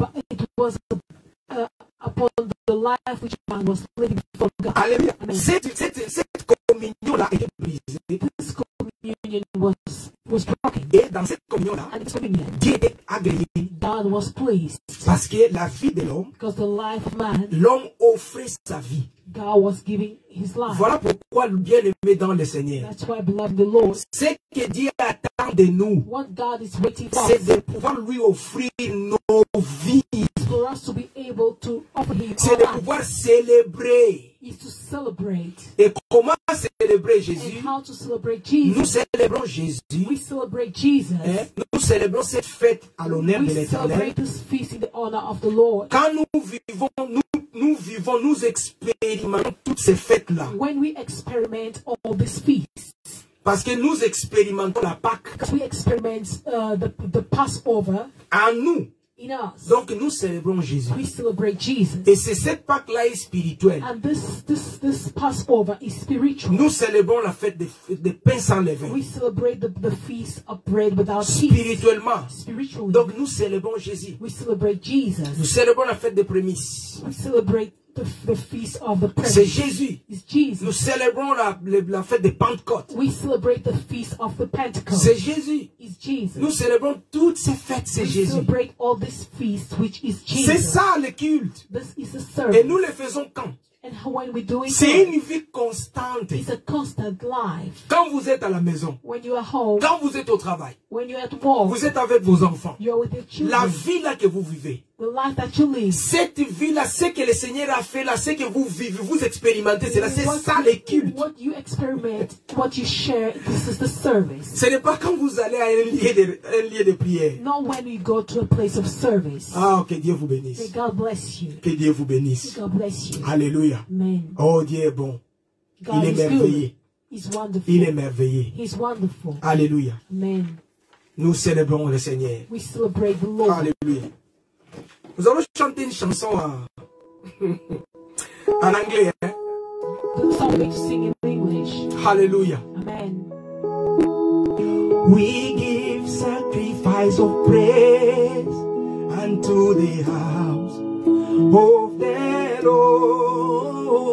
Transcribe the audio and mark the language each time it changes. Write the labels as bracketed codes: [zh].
[en] It was upon the life which man was living before God. [fr] Alléluia. Cette communion-là était brisée. [en] This communion was broken. [fr] Et dans cette communion-là, [en] and this communion, [fr] Dieu était agréé. [en] God was pleased. [fr] Parce que la vie de l'homme, [en] because the life of man, [fr] l'homme offrait sa vie. [en] God was giving his life. [fr] Voilà pourquoi le bien-aimé dans le Seigneur. [en] That's why, beloved, the Lord, [fr] ce que Dieu attend de nous, [en] what God is waiting for, [fr] c'est de pouvoir lui offrir nos vies. [en] For us to be able to offer him [fr] c'est de pouvoir célébrer. [en] Is to celebrate. [fr] Et comment célébrer Jésus? [en] And how to celebrate Jesus. [fr] Nous célébrons Jésus. [en] We celebrate Jesus. [fr] Nous célébrons cette fête à l'honneur de l'Éternel. [en] We celebrate this feast in the honor of the Lord. [fr] Quand nous vivons, nous expérimentons toutes ces fêtes là. [en] When we experiment all these feasts. [fr] Parce que nous expérimentons la Pâque. [en] Because we experiment the Passover. [fr] À nous. [en] In us. [fr] Donc nous célébrons Jésus. [en] We celebrate Jesus. [fr] Et c'est cette Pâque-là est spirituelle. [en] And this Passover is spiritual. [fr] Nous célébrons la fête des pains sans levain. [en] We celebrate the feast of bread without yeast. [fr] Spirituellement. [en] Spiritually. [fr] Donc nous célébrons Jésus. [en] We celebrate Jesus. [fr] Nous célébrons la fête des prémices. [en] We celebrate the feast of the [fr] prémices. C'est Jésus. [en] It's Jesus. [fr] Nous célébrons la fête des Pentecôtes. [en] We celebrate the feast of the Pentecost. [fr] C'est Jésus. [en] It's Jesus. [fr] Nous célébrons toutes ces fêtes, c'est [en] we [fr] Jésus. [en] We celebrate all this feast, which is Jesus. [fr] C'est ça le culte. [en] This is a service. [fr] Et nous le faisons quand? [en] And when we do it, [fr] c'est une vie constante. [en] It's a constant life. [fr] Quand vous êtes à la maison, [en] when you are home, [fr] quand vous êtes au travail, [en] when you are at work, [fr] vous êtes avec vos enfants, [en] you are with your children, [fr] la vie là que vous vivez, [en] the life that you live, [fr] cette vie là, ce que le Seigneur a fait là, ce que vous vivez, vous expérimentez, c'est là, c'est ça le culte. [en] What you experiment, what you share, this is the service. [fr] Ce n'est pas quand vous allez à un lieu de prière. [en] Not when you go to a place of service. [fr] Ah, que Dieu vous bénisse. [en] May God bless you. [fr] Que Dieu vous bénisse. [en] May God bless you. [fr] Alléluia. [en] Amen. [fr] Oh Dieu est bon. [en] God [fr] il est merveilleux. [en] He's wonderful. [fr] Il est merveilleux. [en] He's wonderful. [fr] Alléluia. [en] Amen. [fr] Nous célébrons le Seigneur. [en] We celebrate the Lord. [fr] Alléluia. Nous allons chanter une chanson en anglais. Hein? [en] The song we sing in English. [fr] Alléluia. [en] Amen. We give sacrifice of praise unto the house of the Lord.